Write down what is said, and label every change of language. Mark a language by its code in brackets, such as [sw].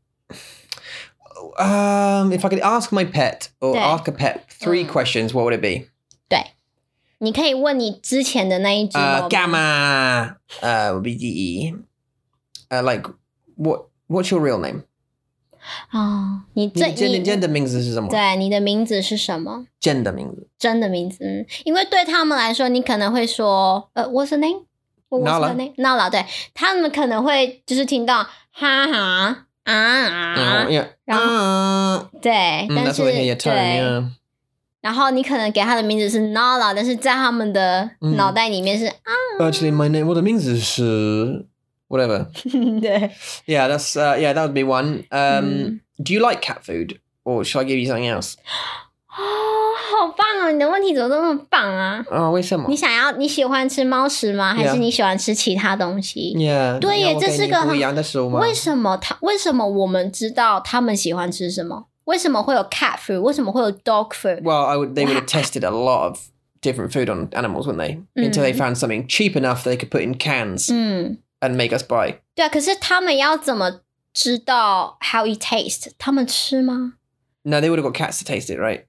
[en] If I could ask my pet or ask a pet three questions, what would it be? [zh] 你可以问你之前的那一只猫。 [en] Gamma, would be the, like, what's your real name? [zh] 哦、oh, ，你这你真的名字是什么？对，你的名字是什么？真的名字。真的名字，因为对他们来说，你可能会说， [en] what's the name? Nala. [zh] Nala, 对，他们可能会就是听到，哈哈。啊啊。 Yeah. 然后，对，但是 [en] that's what your tone, [zh] 对。 Yeah. 然后你可能给他的名字是 Nala， 但是在他们的脑袋里面是啊。 [en] Actually, my name, [zh] 我的名字是 [en] whatever. [zh] 对。 [en] Yeah, that's yeah, that would be one. Do you like cat food, or should I give you something else? [zh] Oh, 好好棒哦，你的问题怎么那么棒啊？哦，为什么？你想要，你喜欢吃猫食吗？还是你喜欢吃其他东西？ Yeah, 对耶，这是个不一样的食物吗？为什么他？为什么我们知道他们喜欢吃什么？为什么会有 cat food？ 为什么会有 dog food？ [en] Well, I would, they would have tested a lot of different food on animals, wouldn't they? Until they found something cheap enough they could put in cans and make us buy. [zh] 对啊，可是他们要怎么知道 [en] how it tastes? [zh] 他们吃吗？ [en] No, they would have got cats to taste it, right?